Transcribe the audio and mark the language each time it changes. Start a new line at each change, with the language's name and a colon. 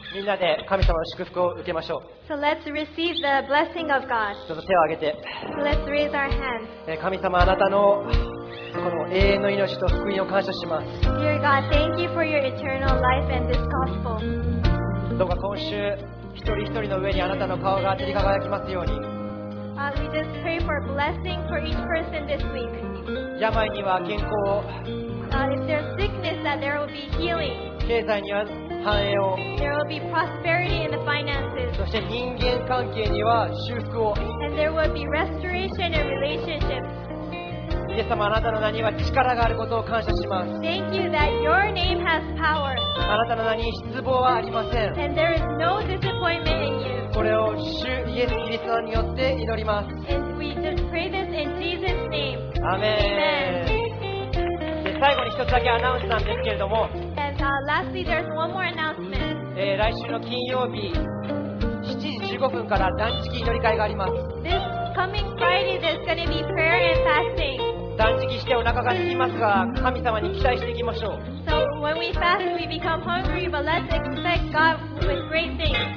Japanese: なで神様の祝福を受けましょう。
English: So let's receive the blessing of God.
Japanese: ちょっと手を挙げて。
English: Let's raise our hands.
Japanese: 神様、あなたのこの永遠の命と福音を感謝します。
English: Dear God, thank you for your eternal life and this gospel.
Japanese: どうか今週一人一人の上にあなたの顔が照り輝きますように。
English: We just pray for blessing for each person this week.
Japanese: 病には健康を。
English: If there's sickness, that there will be healing.
Japanese: 経済には繁栄を。
English: There will be prosperity in the finances.
Japanese: そして人間関係には修復を。
English: And there will be restoration in relationships.
Japanese: イエス様、あなたの名には力があることを感謝します。
English: Thank you that your name has power.
Japanese: あなたの名に失望はありません。
English: And there is no disappointment in you.
Japanese: これを主イエスキリストによって祈ります。
English: And we just pray this in Jesus' name. Amen.
Japanese: で、最後に一つだけアナウンスなんですけれども、
English: And lastly, there's one more announcement.
Japanese: 来週の金曜日7時15分から断食祈り会があります。
English: This coming Friday, there's going to be prayer and fasting.
Japanese: 断食してお腹が空きますが、神様に期待していきましょう。
English: So when we fast, we become hungry, but let's expect God with great things.